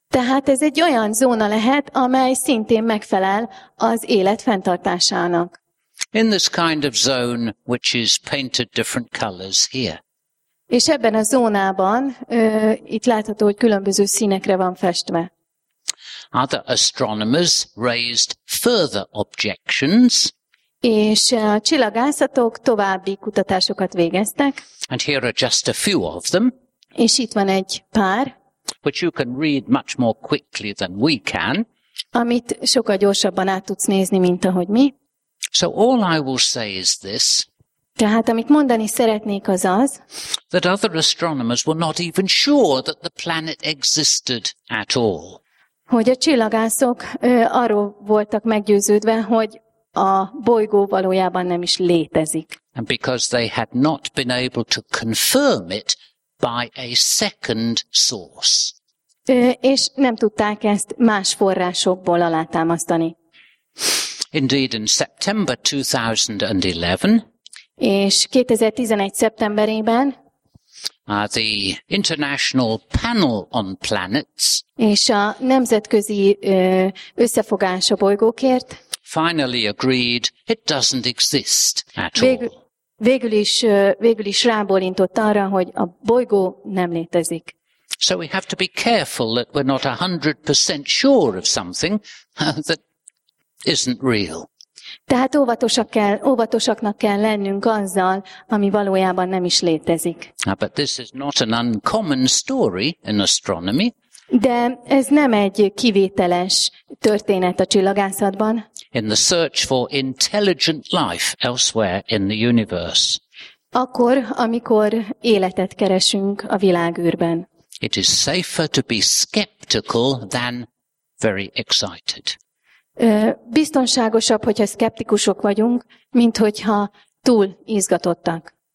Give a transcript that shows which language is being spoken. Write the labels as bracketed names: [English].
[Hungarian] Tehát ez egy olyan zóna lehet, amely szintén megfelel az élet fenntartásának. [English] In this kind of zone, which is painted different colors here. [Hungarian] És ebben a zónában itt látható, hogy különböző színekre van festve. [English] Other astronomers raised further objections. [Hungarian] És a csillagászatok további kutatásokat végeztek. [English] And here are just a few of them. [Hungarian] És itt van egy pár. [English] Which you can read much more quickly than we can. [Hungarian] Amit sokkal gyorsabban át tudsz nézni, mint ahogy mi. [English] So all I will say is this. [Hungarian] Tehát amit mondani szeretnék az az. [English] That other astronomers were not even sure that the planet existed at all. [Hungarian] Hogy a csillagászok arról voltak meggyőződve, hogy a bolygó valójában nem is létezik. [English] And because they had not been able to confirm it by a second source. [Hungarian] És nem tudták ezt más forrásokból alátámasztani. [English] Indeed, in September 2011, [Hungarian] és 2011 szeptemberében [English] the International Panel on Planets, [Hungarian] és a Nemzetközi Összefogás a bolygókért [English] finally agreed it doesn't exist at all. [Hungarian] Végül is rábólintott arra, hogy a bolygó nem létezik. [English] So we have to be careful that we're not 100% sure of something that isn't real. [Hungarian] Tehát óvatosaknak kell lennünk azzal, ami valójában nem is létezik. [English] But this is not an uncommon story in astronomy. [Hungarian] De ez nem egy kivételes történet a csillagászatban. [English] In the search for intelligent life elsewhere in the universe. [Hungarian] Akkor, amikor életet keresünk a világűrben. [English] It is safer to be skeptical than very excited. [Hungarian] Biztonságosabb, hogyha szkeptikusok vagyunk, mint hogyha túl izgatottak.